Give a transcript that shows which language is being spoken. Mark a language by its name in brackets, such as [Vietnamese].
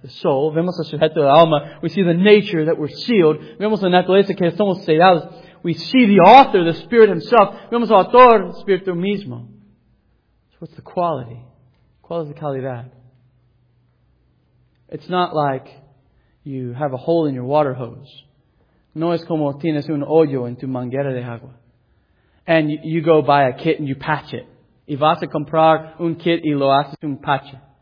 [Spanish] the soul, vemos el sujeto del alma, [English] we see the nature that we're sealed, [Spanish] vemos la naturaleza que somos sellados, [English] we see the author, the Spirit Himself, [Spanish] vemos el autor, el Espíritu mismo. [English] So what's the quality? [Spanish] ¿Cuál es la calidad? [English] It's not like you have a hole in your water hose. [Spanish] No es como tienes un hoyo en tu manguera de agua. [English] And you go buy a kit and you patch it. [Spanish] Y vas a comprar un kit y lo haces un patch.